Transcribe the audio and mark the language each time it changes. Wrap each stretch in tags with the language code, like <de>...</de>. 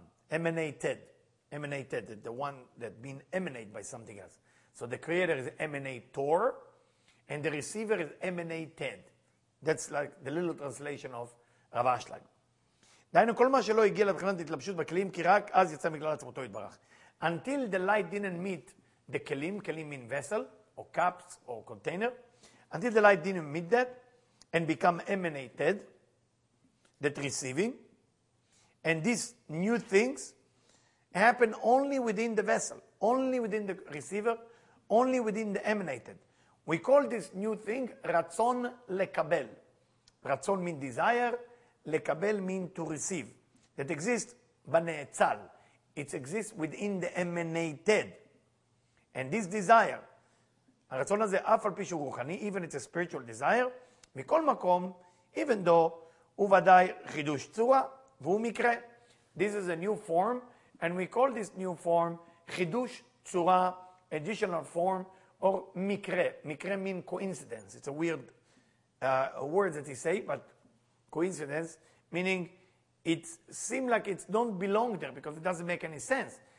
<en>Emanated. Emanated, the one that being emanated by something else. So the creator is emanator, and the receiver is emanated. That's like the little translation of Rav Ashlag.</en> <he>דיינו, כל מה שלא הגיע לבחינת התלבשות בכלים, כי רק אז יצא מגלל עצמותו התברך.</he> <en>Until the light didn't meet the kelim, kelim mean vessel, or cups, or container, until the light didn't meet that, and become emanated, that receiving, and these new things happen only within the vessel, only within the receiver, only within the emanated. We call this new thing ratzon lekabel. Ratzon means desire, lekabel means to receive. That exists b'ne'etzal. It exists within the emanated. And this desire,</en> <he>הרצון הזה אף על פי שהוא רוחני,</he> <en>even it's a spiritual desire,</en> <he>מכל מקום,</he> <en>even though,</en> <he>הוא ודאי חידוש צורה, והוא מקרה.</he> <en>This is a new form, and we call this new form חידוש צורה, additional form, or מקרה. מקרה mean coincidence. It's a weird word that he say, but coincidence, meaning it seems like it don't belong there, because it doesn't make any sense.</en>